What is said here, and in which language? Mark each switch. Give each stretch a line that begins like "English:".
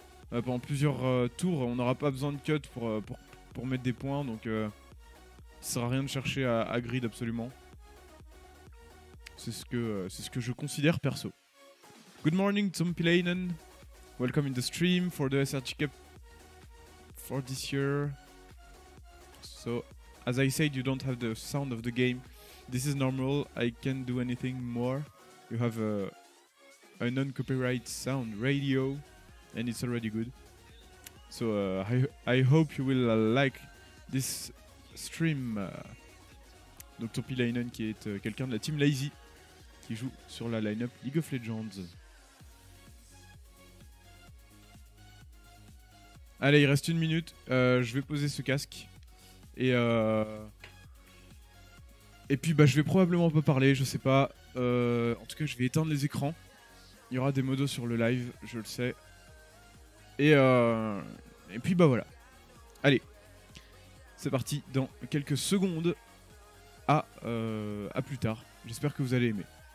French: Pendant plusieurs tours, on n'aura pas besoin de cut pour mettre des points. Donc, ça sert à rien de chercher à grid absolument. C'est ce que je considère perso.
English: Good morning, Tom Pilainen. Welcome in the stream for the SRT Cup for this year. So, as I said, you don't have the sound of the game. This is normal. I can't do anything more. You have a non-copyright sound radio, and it's already good. So, I hope you will like this stream.
French: Donc, Tom Pilainen, qui est quelqu'un de la team Lazy, qui joue sur la lineup League of Legends. Allez, il reste une minute, je vais poser ce casque, et puis bah, je vais probablement pas parler, je sais pas, en tout cas je vais éteindre les écrans, il y aura des modos sur le live, je le sais, et puis bah voilà, allez, c'est parti, dans quelques secondes, à plus tard, j'espère que vous allez aimer.